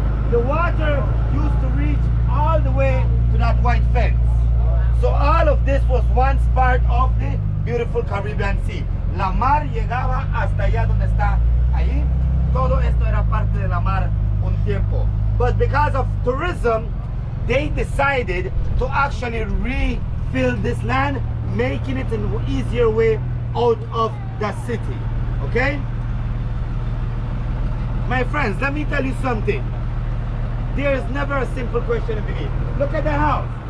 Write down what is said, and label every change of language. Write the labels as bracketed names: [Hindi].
[English] The water used to reach all the way to that white fence. So all of this was once part of the beautiful Caribbean Sea. [Spanish] La mar llegaba hasta allá donde está ahí. Todo esto era parte de la mar un tiempo. [English] But because of tourism, they decided to actually refill this land, making it an easier way out of the city, okay? My friends, let me tell you something. There is never a simple question to begin. Look at the house.